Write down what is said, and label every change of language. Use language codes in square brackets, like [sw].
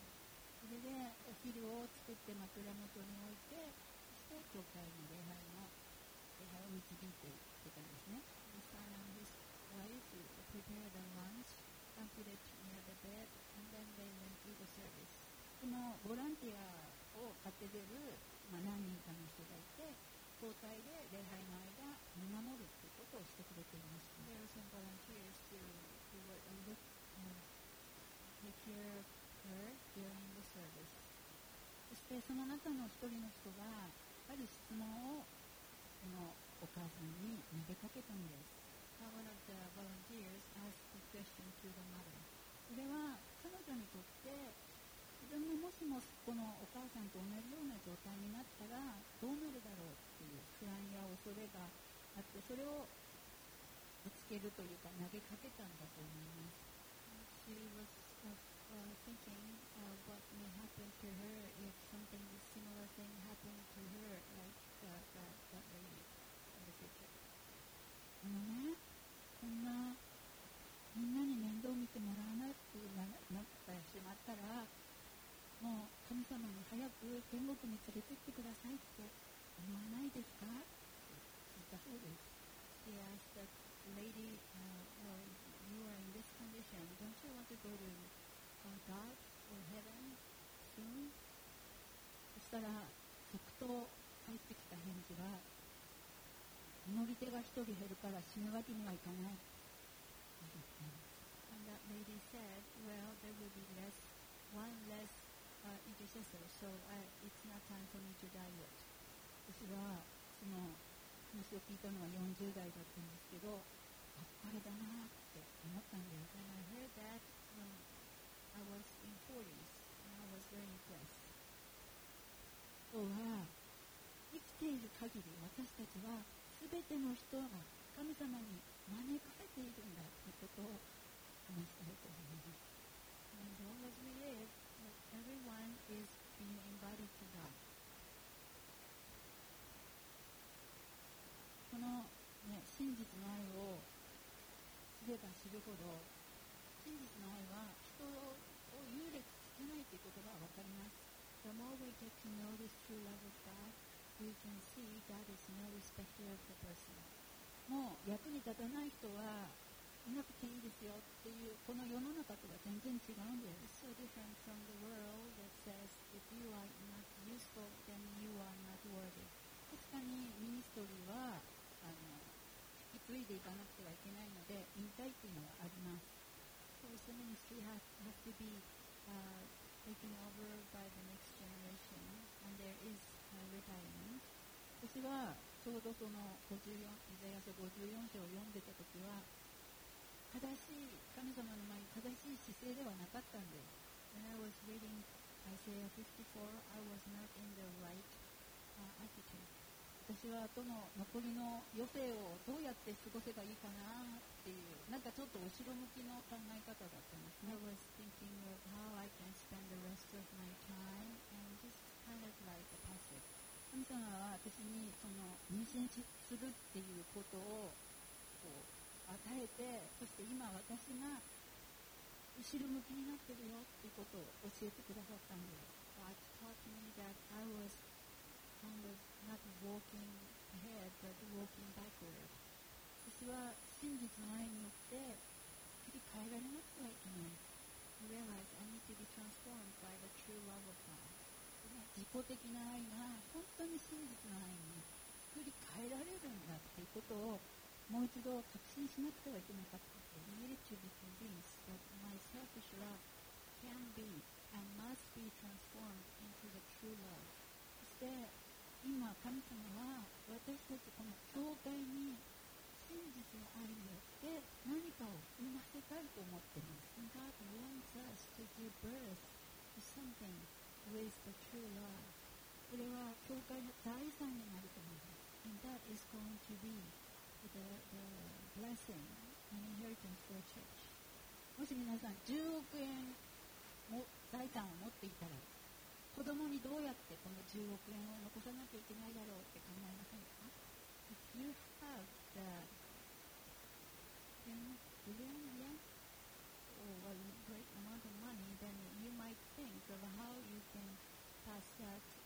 [ja] して枕元に置いて、そして教会の礼拝の礼拝を導いていってたんですね。 [en] The silent wife prepared the lunch and put it near the bed, and then they went to the service. [ja] このボランティアを買って出る、まあ、何人かの人がいて、交代で礼拝の間見守るということをしてくれていました。 [en] There are some volunteers who were look take care of her during the service. [ja] そしてその中の一人の人がある質問をこのお母さんに投げかけたんです。 [en] One of the volunteers asked a question to the mother. [ja] それは彼女にとって自分ももしもこのお母さんと同じような状態になったらどうなるだろうっていう不安や恐れがあって、それをぶつけるというか投げかけたんだと思います。 [en] She was thinking what may happen to her if something similar thing happened to her like that lady in the future。 [ja] あのね、こんなみんなに面倒見てもらわないってなってしまったら、もう神様に早く天国に連れてってくださいって思わないですか？聞いたそうです。 [en] She asked that lady, you are in this condition. Don't you want to go to God or heaven soon? [ja] そしたら、即答返ってきた返事は、祈り手が一人減るから死ぬわけにはいかない。 [en] And that lady said, well, there will be one less. Intercessor, so it's not time for me to die yet. [ja] 私はその話を聞いたのは40代だったんですけど、あっぱれだなって思ったんです。 [en] And I heard that when I was in 40s, and I was very impressed. [ja] 今日は生きている限り私たちは全ての人が神様に招かれているんだということを話したいと思います。 [en] And as long as we live, everyone is being invited to God. [ja] この、ね、真実の愛を知れば知るほど、真実の愛は人を優劣つけないということが分かります。 [en] The more we get to know this true love of God, we can see God is no respecter of the person. [ja] もう役に立たない人はいなくていいですよっていう、この世の中とは全然違うんです。 [en] It's so different from the world that says if you are not useful, then you are not worthy. [ja] 確かにミニストリーは引き継いでいかなくてはいけないので、引退っていうのはあります。 [en] So the ministry has to be taken over by the next generation, and there is retirement. [ja] 私はちょうどその54、イザヤ書54章を読んでたときは、正しい神様の前に正しい姿勢ではなかったんです。 [en] When I was reading Isaiah 54, I was not in the right attitude. [ja] 私はとの残りの余生をどうやって過ごせばいいかなっていう、なんかちょっと後ろ向きの考え方だったんですね。 [en] I was thinking of how I can spend the rest of my time and just kind of like a passive. [ja] 神様は私にその妊娠するっていうことをこう与えて、そして今私が後ろ向きになってるよっていうことを教えてくださったんです。 [en] God taught me that I was kind of not walking ahead, but walking backward. [ja] 私は真実の愛によって振り返られなくてはいけない。 [en] I realize I need to be transformed by the true love of God. [ja] 自己的な愛が本当に真実の愛に振り返られるんだっていうことをもう一度確信しなくてはいけなかった。 [en] You need to be convinced that my selfish love can be and must be transformed into the true love. [ja] そして今神様は私たちこの教会に真実の愛によって何かを生ませたいと思っています。 [en] God wants us to give birth to something with the true love. [ja] これは教会の財産になると思います。 [en] And that is going to beThe blessing and inheritance for church. [ja] もし皆さん10億円も財産を持っていたら、子供にどうやってこの10億円を残さなきゃいけないだろうって考えませんか？ [en] If you have the 10 billion yen or a great amount of money, then you might think of how you can pass that